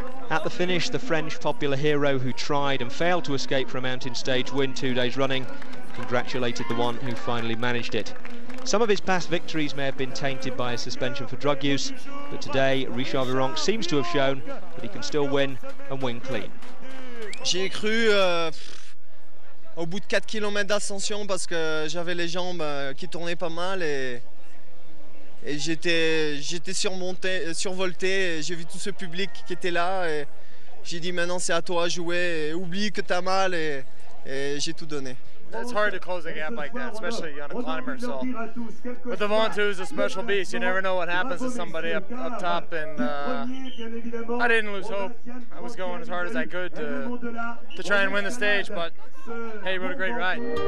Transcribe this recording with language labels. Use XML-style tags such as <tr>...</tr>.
<en>At the finish, the French popular hero who tried and failed to escape from a mountain stage win 2 days running congratulated the one who finally managed it. Some of his past victories may have been tainted by a suspension for drug use, but today Richard Vironk seems to have shown that he can still win and win clean.</en> <fr>J'ai cru au bout de 4 km d'ascension parce que j'avais les jambes qui tournaient pas mal et j'étais surmonté, survolté, et j'ai vu tout ce public qui était là et j'ai dit maintenant c'est à toi de jouer, et oublie que t'as mal et j'ai tout donné.</fr> <en>It's hard to close a gap like that, especially on a climber. So, but the Ventoux is a special beast. You never know what happens to somebody up top. And I didn't lose hope. I was going as hard as I could to try and win the stage. But hey, you rode a great ride.</en>